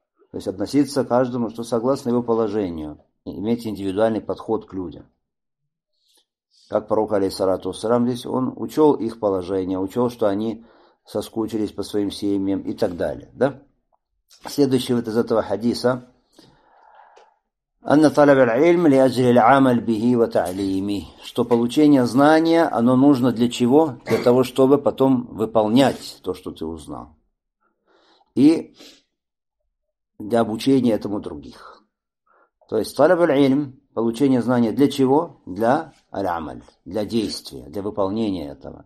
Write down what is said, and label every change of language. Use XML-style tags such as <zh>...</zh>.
<ru>То есть, относиться к каждому, что согласно его положению, и иметь индивидуальный подход к людям. Как пророк, алейхиссалату вассалям, здесь он учел их положение, учел, что они соскучились по своим семьям и так далее. Да? Следующий вот из этого хадиса.</ru> <ar>أن طلب العلم لأجل العمل به وتعليمه.</ar> <ru>Что получение знания, оно нужно для чего? Для того, чтобы потом выполнять то, что ты узнал. И для обучения этому других. То есть طلب العلم, получение знания для чего? Для العمل, для действия, для выполнения этого.</ru>